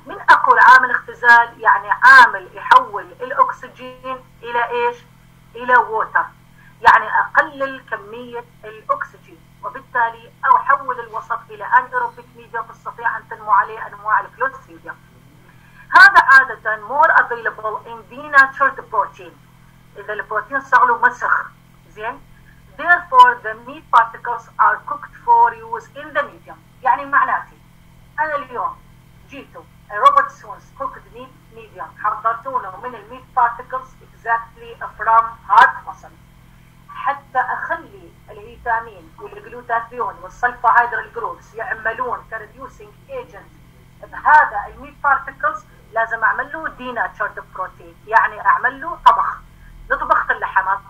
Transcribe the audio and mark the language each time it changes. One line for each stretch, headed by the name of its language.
Arabic: من اقول عامل اختزال؟ يعني عامل يحول الاكسجين الى ايش؟ الى ووتر، يعني اقلل كمية الاكسجين، وبالتالي احول الوسط الى anaerobic medium تستطيع ان تنمو عليه انواع الكلوستريديا. هذا عادة
English: more available in denatured protein،
Arabic: اذا البروتين صغله مسخ.
English: زين، therefore the meat particles are cooked for use in the medium.
Arabic: يعني معناتي انا اليوم جيتو روبرت سونز cooked meat medium حضرتونه من الميت particles
English: exactly from heart muscle،
Arabic: حتى اخلي الهيتامين والجلوتاثيون والسلفاهيدرال جروبس يعملون كريديوسينج ايجنت بهذا الميت particles، لازم اعمل له denatured protein، يعني اعمل له طبخ، نطبخ اللحمات.